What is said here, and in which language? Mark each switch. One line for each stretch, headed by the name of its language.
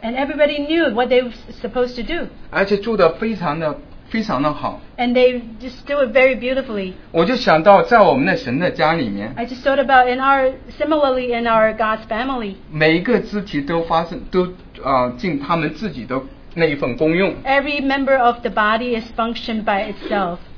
English: And everybody knew what they were supposed to do.
Chinese: 而且做得非常的非常的好。
English: And they just do it very beautifully.
Chinese: 我就想到在我们的神的家里面。
English: I just thought about in our similarly in our God's family.
Chinese: 每一个肢体都发生都。尽他们自己的那一份功用。
English: Every member of the body is functioned by itself.